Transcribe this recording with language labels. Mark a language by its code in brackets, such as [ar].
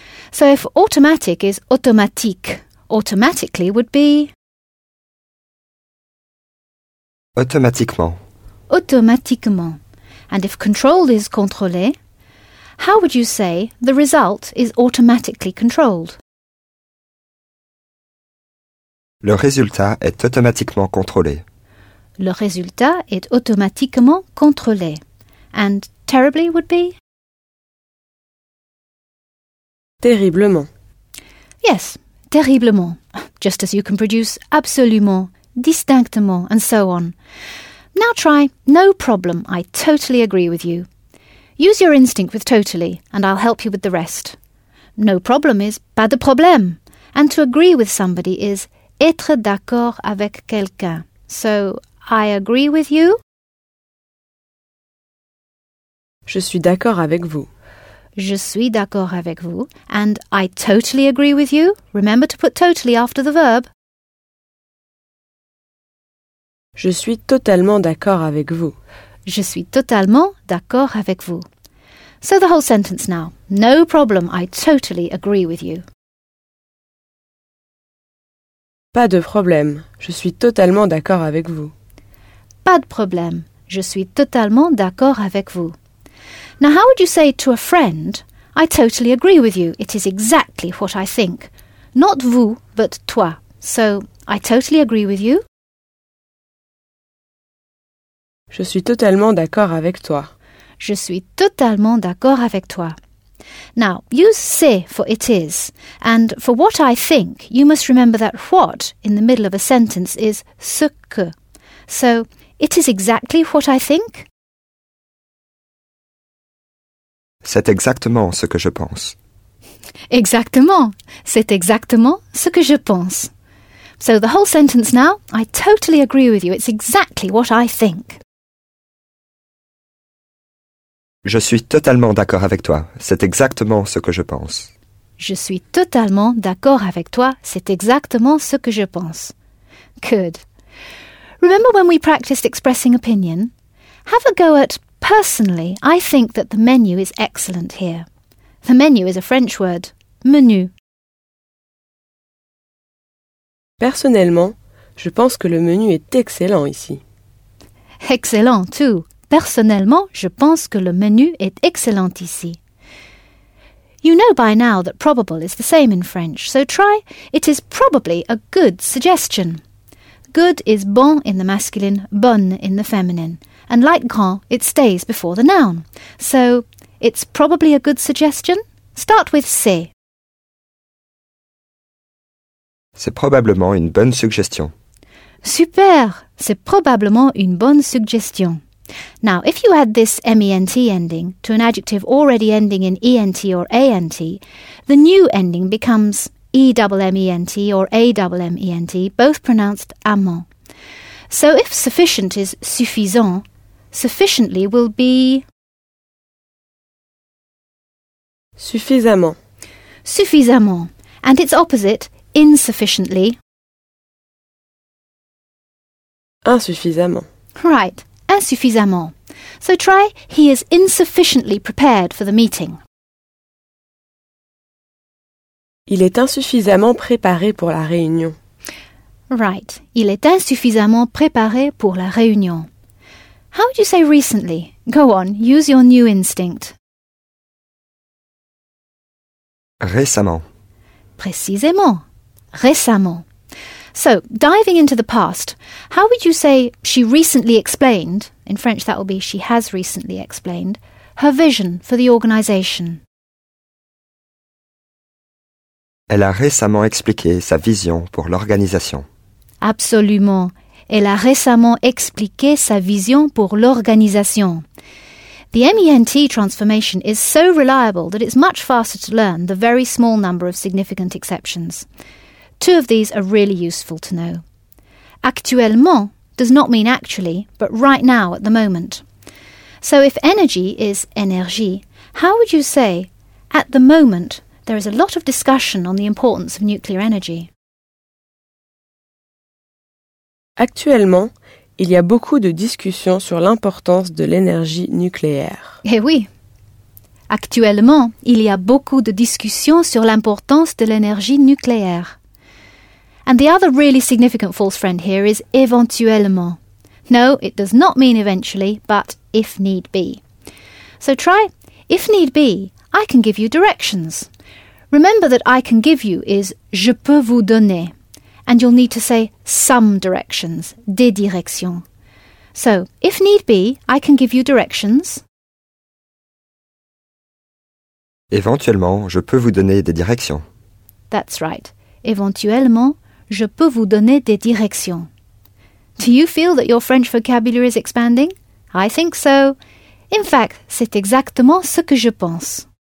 [en] So if automatic is automatique, automatically would be [fr] automatiquement. Automatiquement. [en] And if controlled is contrôlé, how would you say the result is automatically controlled? [fr] Le résultat est automatiquement contrôlé. Le résultat est automatiquement contrôlé. [en] And terribly would be? [fr] Terriblement. [en] Yes, terriblement. Just as you can produce absolument, distinctement, and so on. Now try, no problem, I totally agree with you. Use your instinct with totally, and I'll help you with the rest. No problem is [fr] pas de problème, [en] and to agree with somebody is [fr] être d'accord avec quelqu'un. [en] So, I agree with you. [fr] Je suis d'accord avec vous. Je suis d'accord avec vous, [en] and I totally agree with you. Remember to put totally after the verb. [fr] Je suis totalement d'accord avec vous. Je suis totalement d'accord avec vous. [en] So the whole sentence now. No problem, I totally agree with you. [fr] Pas de problème, je suis totalement d'accord avec vous. Pas de problème, je suis totalement d'accord avec vous. [en] Now how would you say to a friend, I totally agree with you, it is exactly what I think. Not vous, but toi. So, I totally agree with you. [fr] Je suis totalement d'accord avec toi. Je suis totalement d'accord avec toi. [en] Now, use c'est for it is. And for what I think, you must remember that what in the middle of a sentence is [fr] ce que. [en] So, it is exactly what I think. [fr] C'est exactement ce que je pense. Exactement. C'est exactement ce que je pense. [en] So, the whole sentence now, I totally agree with you. It's exactly what I think. [fr] Je suis totalement d'accord avec toi. C'est exactement ce que je pense. Je suis totalement d'accord avec toi. C'est exactement ce que je pense. [en] Good. Remember when we practiced expressing opinion? Have a go at personally, I think that the menu is excellent here. The menu is a French word, menu. [fr] Personnellement, je pense que le menu est excellent ici. [en] Excellent too. [fr] Personnellement, je pense que le menu est excellent ici. [en] You know by now that probable is the same in French, so try. It is probably a good suggestion. Good is bon in the masculine, bonne in the feminine. And like grand, it stays before the noun. So, it's probably a good suggestion. Start with c'est. [fr] C'est probablement une bonne suggestion. Super! C'est probablement une bonne suggestion. [en] Now, if you add this ment ending to an adjective already ending in ent or ant, the new ending becomes emment or amment, both pronounced amant. So if sufficient is suffisant, sufficiently will be [fr] suffisamment. Suffisamment. [en] And its opposite, insufficiently, [fr] insuffisamment. [en] Right. Insuffisamment. So try, he is insufficiently prepared for the meeting. [fr] Il est insuffisamment préparé pour la réunion. [en] Right. [fr] Il est insuffisamment préparé pour la réunion. [en] How would you say recently? Go on, use your new instinct. [fr] Récemment. Précisément. Récemment. [en] So, diving into the past, how would you say she recently explained, in French that will be she has recently explained, her vision for the organisation? [fr] Elle a récemment expliqué sa vision pour l'organisation. Absolument. Elle a récemment expliqué sa vision pour l'organisation. [en] The MENT transformation is so reliable that it's much faster to learn the very small number of significant exceptions. Two of these are really useful to know. Actuellement does not mean actually, but right now, at the moment. So if energy is énergie, how would you say, at the moment, there is a lot of discussion on the importance of nuclear energy? [fr] Actuellement, il y a beaucoup de discussions sur l'importance de l'énergie nucléaire. Eh oui. Actuellement, il y a beaucoup de discussions sur l'importance de l'énergie nucléaire. [en] And the other really significant false friend here is éventuellement. No, it does not mean eventually, but if need be. So try, if need be, I can give you directions. Remember that I can give you is [fr] je peux vous donner. [en] And you'll need to say some directions, [fr] des directions. [en] So, if need be, I can give you directions. [fr] Éventuellement, je peux vous donner des directions. [en] That's right. [fr] Éventuellement, je peux vous donner des directions. [en] Do you feel that your French vocabulary is expanding? I think so. In fact, [fr] c'est exactement ce que je pense.